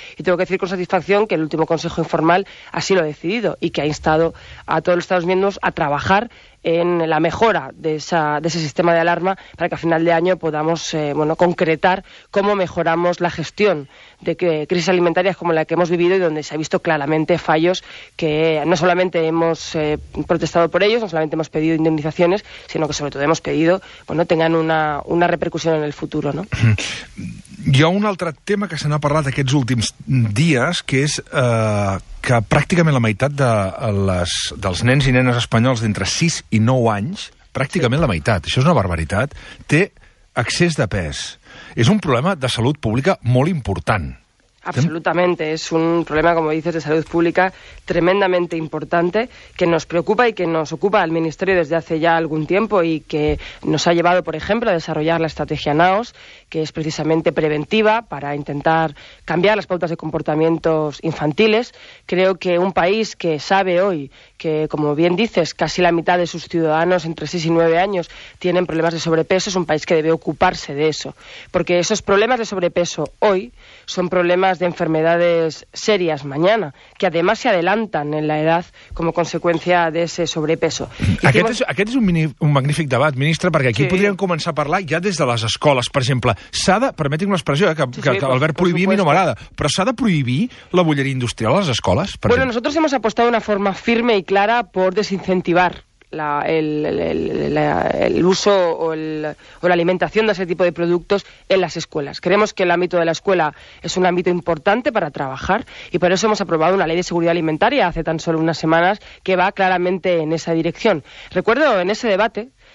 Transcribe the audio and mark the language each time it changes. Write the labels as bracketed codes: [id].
[es] Y tengo que decir con satisfacción que el último Consejo Informal así lo ha decidido y que ha instado a todos los Estados miembros a trabajar en la mejora de ese sistema de alarma para que a final de año podamos concretar cómo mejoramos la gestión de crisis alimentarias como la que hemos vivido y donde se ha visto claramente fallos que no solamente hemos protestado por ellos, no solamente hemos pedido indemnizaciones, sino que sobre todo hemos pedido tengan una repercusión en el futuro, ¿no? [ca] Hi ha un altre tema que se n'ha parlat aquests últims dies, que és que pràcticament la meitat dels nens i nenes espanyols d'entre 6 i 9 anys, pràcticament la meitat, això és una barbaritat, té excés de pes. És un problema de salut pública molt important. [es] Absolutamente. Es un problema, como dices, de salud pública tremendamente importante que nos preocupa y que nos ocupa al Ministerio desde hace ya algún tiempo y que nos ha llevado, por ejemplo, a desarrollar la estrategia NAOS, que es precisamente preventiva para intentar cambiar las pautas de comportamientos infantiles. Creo que un país que sabe hoy que, como bien dices, casi la mitad de sus ciudadanos entre 6 y 9 años tienen problemas de sobrepeso es un país que debe ocuparse de eso. Porque esos problemas de sobrepeso hoy son problemas de enfermedades serias mañana, que además se adelantan en la edad como consecuencia de ese sobrepeso. [ca] Aquest és un magnífic debat, ministre, perquè aquí sí. Podríem començar a parlar ja des de les escoles. Per exemple, s'ha de, permeti'm l'expressió, que l'Albert prohibir a mi no m'agrada, però s'ha de prohibir la bolleria industrial a les escoles? [es] Bueno, nosotros hemos apostado de una forma firme y clara por desincentivar el uso o la alimentación de ese tipo de productos en las escuelas. Creemos que el ámbito de la escuela es un ámbito importante para trabajar y por eso hemos aprobado una ley de seguridad alimentaria hace tan solo unas semanas que va claramente en esa dirección. Recuerdo en ese debate